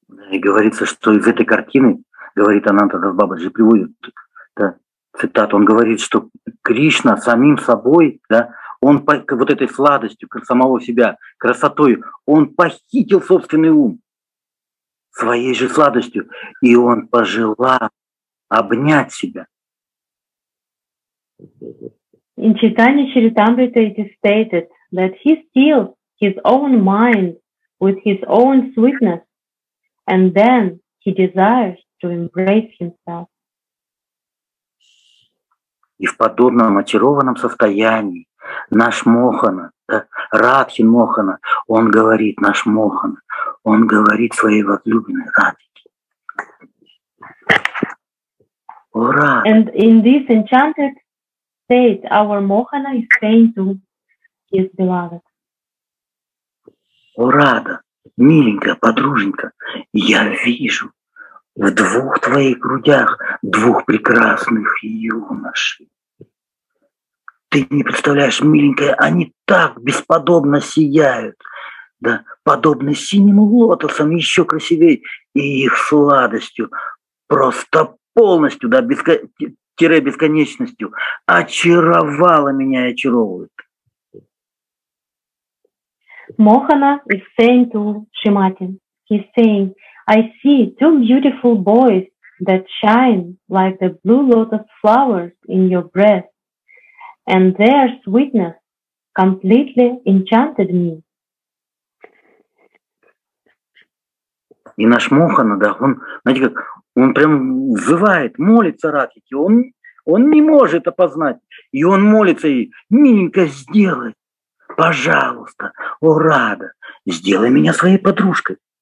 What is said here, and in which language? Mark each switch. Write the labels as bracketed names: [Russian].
[Russian] И говорится, что из этой картины, говорит Ананта Дас Бабаджи, приводит, да, цитату, он говорит, что Кришна самим собой, да, он вот этой сладостью самого себя, красотой, он похитил собственный ум своей же сладостью, и он пожелал обнять себя. [English] In Chaitanya Charitamrita it is stated that he steals his own mind with his own sweetness, and then he desires to embrace himself. [Russian] И в подобном очарованном состоянии наш Мохана, да, Радхи Мохана, он говорит своей возлюбленной Радхике. Ура! [English] And in this enchanted state, our Mohana is saying to his beloved. [Russian] О, Рада, миленькая подруженька, я вижу в двух твоих грудях двух прекрасных юношей. Ты не представляешь, миленькая, они так бесподобно сияют, да, подобны синим лотосам, еще красивее, и их сладостью просто полностью, да, бесконечностью, очаровала меня и очаровывает. [English] Mohana is saying to Shrimati, he's saying, I see two beautiful boys that shine like the blue lotus flowers in your breath, and their sweetness completely enchanted me. [Russian] И наш Мохана, да, он, знаете как, он прям взывает, молится Радхике, он не может опознать, и он молится ей, миленько, сделай, пожалуйста, о, Рада, сделай меня своей подружкой.